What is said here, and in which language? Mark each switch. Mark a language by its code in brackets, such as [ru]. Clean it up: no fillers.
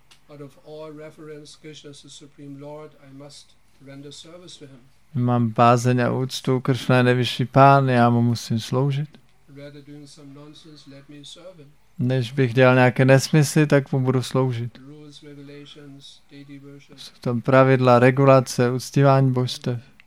[en] Out of all reverence, Krishna is the Supreme Lord. I must render service to him. [cs] Mám bázeň a úctu, Kršna je nejvyšší pán, já mu musím sloužit. [en] Rather doing some nonsense, let me serve him. [cs] Než bych dělal nějaké nesmysly, tak mu budu sloužit. [en] Rules, regulations, deity worship. [cs] Jsou tam pravidla, regulace, uctívání božstev.